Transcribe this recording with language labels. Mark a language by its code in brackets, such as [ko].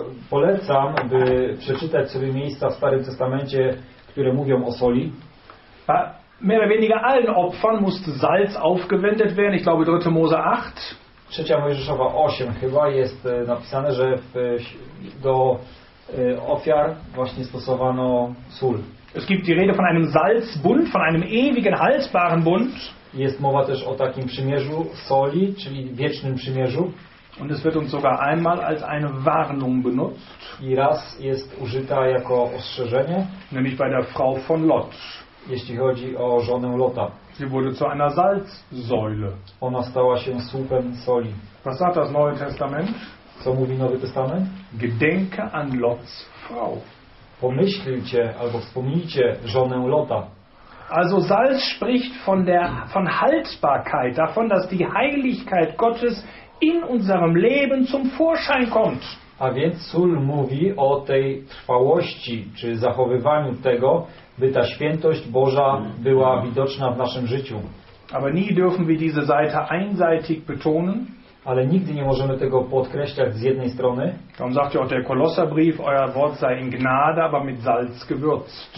[pl] Polecam, by przeczytać sobie miejsca w Starym Testamencie, które mówią o soli. [de] Mehr oder weniger allen Opfern musste Salz aufgewendet werden. Ich glaube, 3. Mose 8. [pl] Trzecia Mojżeszowa 8 chyba jest napisane, że do ofiar właśnie stosowano sól. [de] Es gibt die Rede von einem Salzbund, von einem ewigen haltbaren Bund. [pl] Jest mowa też o takim przymierzu soli, czyli wiecznym przymierzu. [de] Und es wird uns sogar einmal als eine Warnung benutzt. [pl] I raz jest użyta jako ostrzeżenie. [de] Nämlich bei der Frau von Lot. [pl] Jeśli chodzi o żonę Lota. [de] Sie wurde zu einer Salzsäule. [pl] Ona stała się słupem soli. [de] Was sagt das Neue Testament? [pl] Co mówi Nowy Testament? [de] Gedenke an Lots Frau. [pl] Pomyślcie albo wspomnijcie żonę Lota. [de] Also Salz spricht von der von Haltbarkeit, davon, dass die Heiligkeit Gottes in unserem Leben zum Vorschein kommt. [pl] A więc sól mówi o tej trwałości czy zachowywaniu tego, by ta świętość Boża była widoczna w naszym życiu. [de] Aber nie dürfen wir diese Seite einseitig betonen. [pl] Ale nigdy nie możemy tego podkreślać z jednej strony. [de] Tam sagt ja auch der Kolosserbrief, euer Wort sei in Gnade, aber mit Salz gewürzt.